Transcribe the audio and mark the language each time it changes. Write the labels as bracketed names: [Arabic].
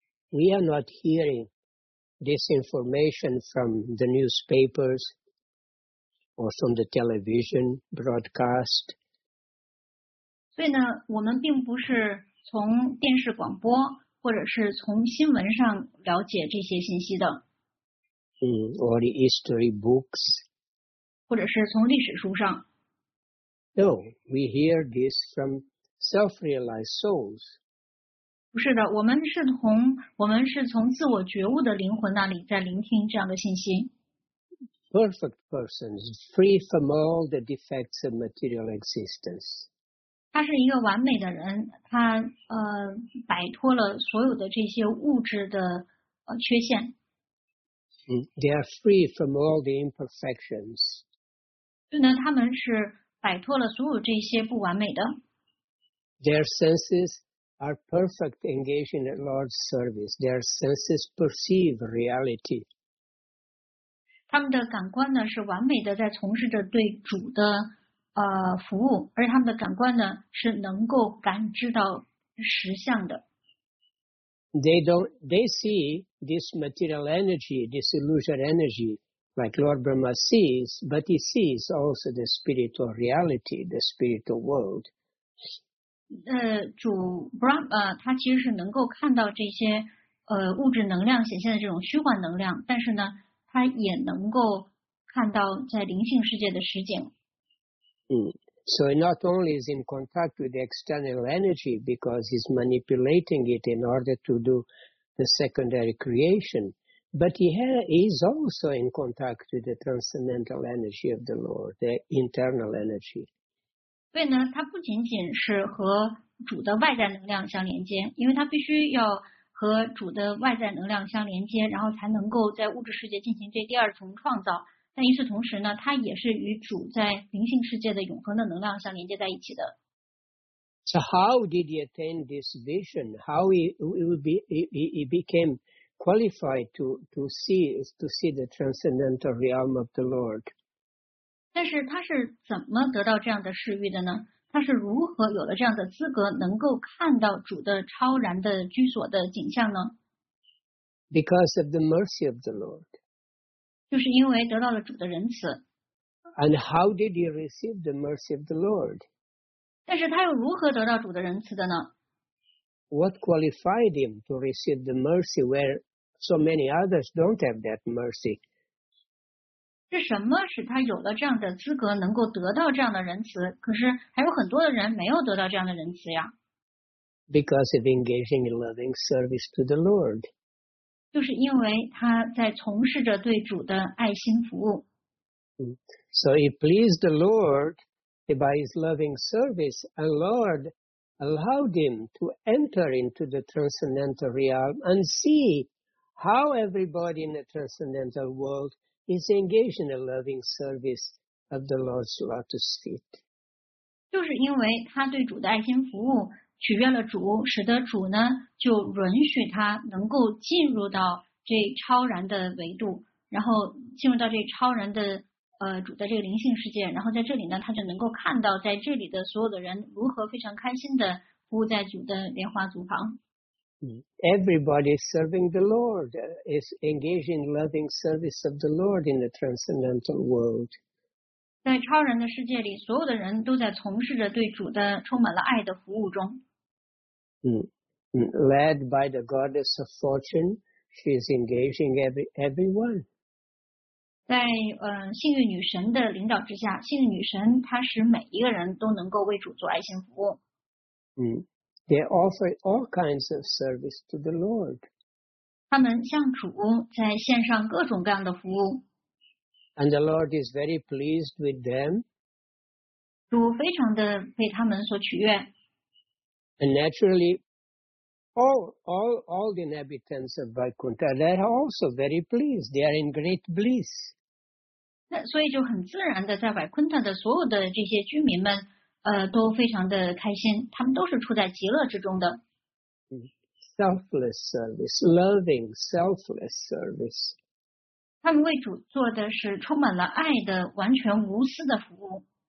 [English] We are not hearing this information from the newspapers or from the television broadcast. [Chinese] 所以呢，我们并不是从电视广播或者是从新闻上了解这些信息的。 [English] Or the history books. [Chinese] 或者是从历史书上。 [English] No, we hear this from self-realized souls. [Chinese] 不是的，我们是从自我觉悟的灵魂那里在聆听这样的信息。 [English] Perfect persons, free from all the defects of material existence. [Chinese] 他是一个完美的人，他摆脱了所有的这些物质的缺陷。 [English] They are free from all the imperfections. [Chinese] 对呢，他们是摆脱了所有这些不完美的。 [English] Their senses are perfect engaged in the Lord's service. Their senses perceive reality. [Chinese] 他们的感官呢是完美的，在从事着对主的服务，而他们的感官呢是能够感知到实相的。 [English] They see this material energy, this illusion energy, like Lord Brahma sees, but he sees also the spiritual reality, the spiritual world. [Chinese] 主 Brahma 他其实是能够看到这些物质能量显现的这种虚幻能量，但是呢，他也能够看到在灵性世界的实景。 [English] So not only is in contact with the external energy because he's manipulating it in order to do the secondary creation, but he is also in contact with the transcendental energy of the Lord, the internal energy. [Chinese] 所以呢，他不仅仅是和主的外在能量相连接，因为他必须要和主的外在能量相连接，然后才能够在物质世界进行这第二重创造。但与此同时呢，它也是与主在灵性世界的永恒的能量相连接在一起的。 [English] So how did he attain this vision? How he became qualified to see the transcendental realm of the Lord? [Chinese] 但是他是怎么得到这样的视域的呢？他是如何有了这样的资格，能够看到主的超然的居所的景象呢？ [English] Because of the mercy of the Lord. [Chinese] 就是因为得到了主的仁慈。 [English] And how did he receive the mercy of the Lord? [Chinese] 但是他又如何得到主的仁慈的呢？ [English] What qualified him to receive the mercy where so many others don't have that mercy? [Chinese] 是什么使他有了这样的资格，能够得到这样的仁慈，可是还有很多的人没有得到这样的仁慈呀？ [English] Because of engaging in loving service to the Lord. [Chinese] 就是因为他在从事着对主的爱心服务。 [English] So he pleased the Lord by his loving service, and Lord allowed him to enter into the transcendental realm and see how everybody in the transcendental world is engaged in a loving service of the Lord's lotus feet. [Chinese] 就是因为他对主的爱心服务，取悦了主，使得主呢就允许他能够进入到这超然的维度，然后进入到这超然的主的这个灵性世界，然后在这里呢，他就能够看到在这里的所有的人如何非常开心的服务在主的莲花足旁。 [English] Everybody serving the Lord is engaged in loving service of the Lord in the transcendental world. [Chinese] 在超人的世界里，所有的人都在从事着对主的充满了爱的服务中。 [English] Led by the goddess of fortune, she is engaging everyone. [Chinese] 在幸运女神的领导之下，幸运女神她使每一个人都能够为主做爱心服务。 [English] They offer all kinds of service to the Lord. [Chinese] 他们向主在献上各种各样的服务。 [English] And the Lord is very pleased with them. [Chinese] 主非常的被他们所取悦。 [English] And naturally, all the inhabitants of Vaikuntha, they are also very pleased. They are in great bliss. [Chinese] 那所以就很自然的，在百昆特的所有的这些居民们。都非常的开心，他们都是处在极乐之中的。 [English] Selfless service, loving, selfless service. [Chinese] 他们为主做的是充满了爱的完全无私的服务。